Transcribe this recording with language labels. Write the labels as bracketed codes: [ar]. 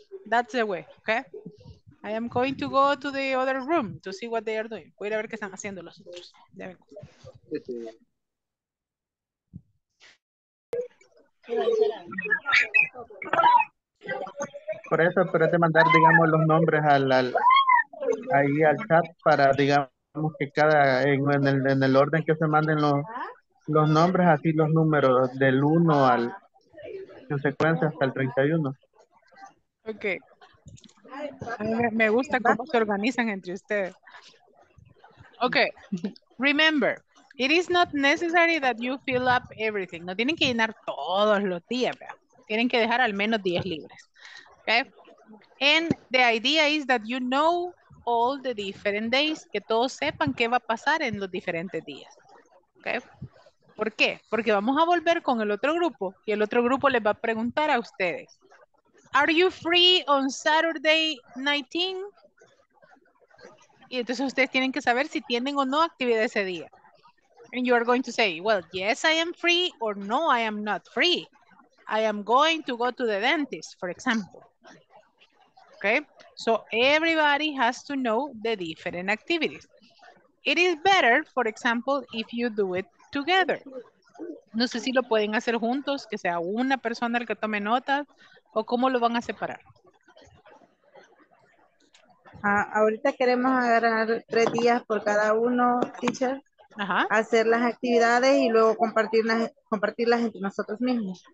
[en] That's the way, okay? I am going to go to the other room to see what they are doing. [es] Voy a ver qué están haciendo los otros. Ya vengo. Por eso, pero es de mandar, digamos, los nombres al chat para, digamos, que cada en el orden que se manden los nombres, así los números del 1 al en secuencia hasta el 31. Ok. Me gusta cómo se organizan entre ustedes. Ok. [en] Remember, it is not necessary that you fill up everything. [es] No tienen que llenar todos los días, ¿verdad? Tienen que dejar al menos 10 libres. Ok. [en] And the idea is that you know all the different days, [es] que todos sepan qué va a pasar en los diferentes días. ¿Okay? ¿Por qué? Porque vamos a volver con el otro grupo y el otro grupo les va a preguntar a ustedes, [en] are you free on Saturday 19? [es] Y entonces ustedes tienen que saber si tienen o no actividad ese día. [en] And you are going to say, well, yes, I am free, or no, I am not free. I am going to go to the dentist, for example. Okay, so everybody has to know the different activities. It is better, for example, if you do it together. [es] No sé si lo pueden hacer juntos, que sea una persona el que tome notas, o cómo lo van a separar. Ahorita queremos agarrar 3 días por cada uno, teacher. Ajá. Hacer las actividades y luego compartirlas entre nosotros mismos.